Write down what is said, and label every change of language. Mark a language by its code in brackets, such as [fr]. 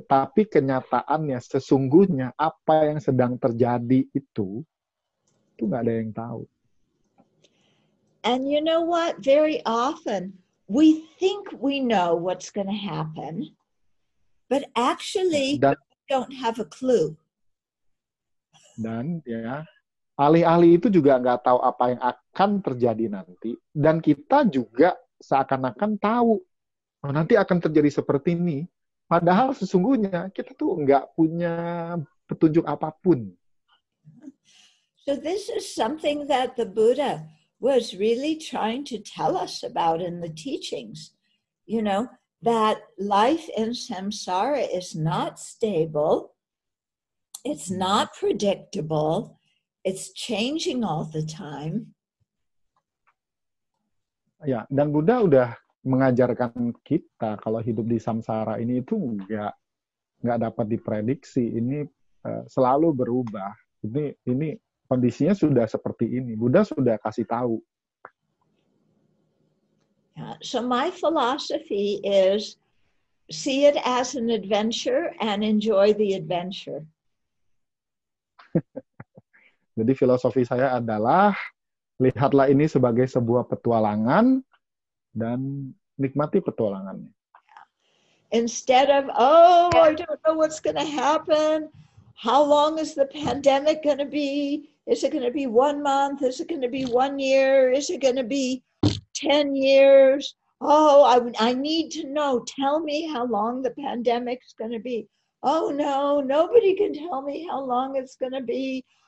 [id] Tapi kenyataannya, sesungguhnya apa yang sedang terjadi itu nggak ada yang tahu. [en] And you know what? Very often, we think we know what's going to happen, but actually, we don't have a clue. [id] Dan, ya, ahli-ahli itu juga nggak tahu apa yang akan terjadi nanti. Dan kita juga seakan-akan tahu, oh, nanti akan terjadi seperti ini. Padahal sesungguhnya kita tuh nggak punya petunjuk apapun. [en] So this is something that the Buddha was really trying to tell us about in the teachings. You know, that life in samsara is not stable. It's not predictable. It's changing all the time. [id] Ya, dan Buddha udah mengajarkan kita kalau hidup di samsara ini itu nggak dapat diprediksi. Ini selalu berubah. Ini kondisinya sudah seperti ini. Buddha sudah kasih tahu. [en] Yeah, so my philosophy is see it as an adventure and enjoy the adventure. [id] Jadi filosofi saya adalah lihatlah ini sebagai sebuah petualangan dan nikmati petualangannya. [en] Instead of, oh, I don't know what's going to happen. How long is the pandemic going to be? Is it going to be 1 month? Is it going to be 1 year? Is it going to be 10 years? Oh, I need to know. Tell me how long the pandemic is going to be. Oh, no, nobody can tell me how long it's going to be.